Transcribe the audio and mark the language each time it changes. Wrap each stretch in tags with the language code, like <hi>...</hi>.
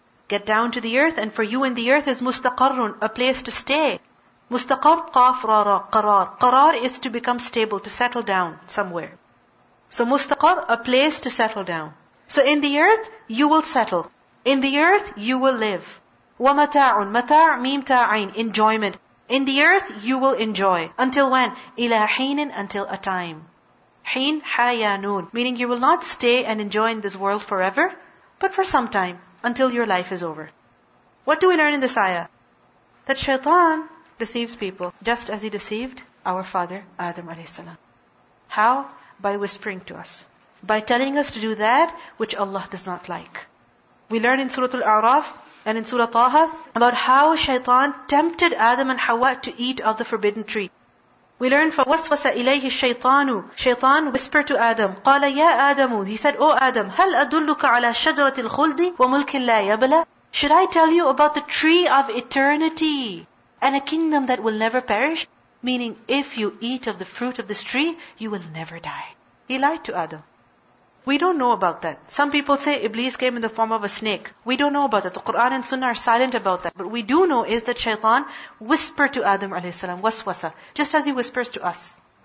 <en>Get down to the earth, and for you in the earth is مُسْتَقَرٌ, a place to stay.</en> <ar>مُسْتَقَرْ قَافْ رَارَ, قَرَار.</ar> <en>قَرَار is to become stable, to settle down somewhere. So مُسْتَقَرْ, a place to settle down. So in the earth, you will settle. In the earth, you will live.</en> <ar>وَمَتَاعٌ, مَتَاعٌ, مِيمْ تَاعٍ, enjoyment.</ar> <en>In the earth, you will enjoy. Until when?</en> <ar>إِلَىٰ حِينٍ,</ar> <en>until a time.</en> <ar>حِين حَيَانُون,</ar> <en>meaning you will not stay and enjoy in this world forever, but for some time, until your life is over. What do we learn in this ayah? That shaitan deceives people, just as he deceived our father Adam alayhi salam. How? By whispering to us. By telling us to do that which Allah does not like. We learn in Surah Al-A'raf, and in Surah Taha, about how shaitan tempted Adam and Hawa to eat of the forbidden tree. We learn from</en> <ar>وَسْوَسَ إِلَيْهِ الشَّيْطَانُ.</ar> <en>Shaitan whispered to Adam,</en> <ar>قَالَ يَا آدَمُ.</ar> <en>He said, O Adam,</en> <ar>هَلْ أَدُلُّكَ عَلَى شَجْرَةِ الْخُلْدِ وَمُلْكٍ لَا يَبْلَى.</ar> <en>Should I tell you about the tree of eternity and a kingdom that will never perish? Meaning, if you eat of the fruit of this tree, you will never die. He lied to Adam. We don't know about that. Some people say Iblis came in the form of a snake. We don't know about that. The Quran and Sunnah are silent about that. But we do know is that shaitan whispered to Adam alayhi salam, waswasa, just as he whispers to us.</en>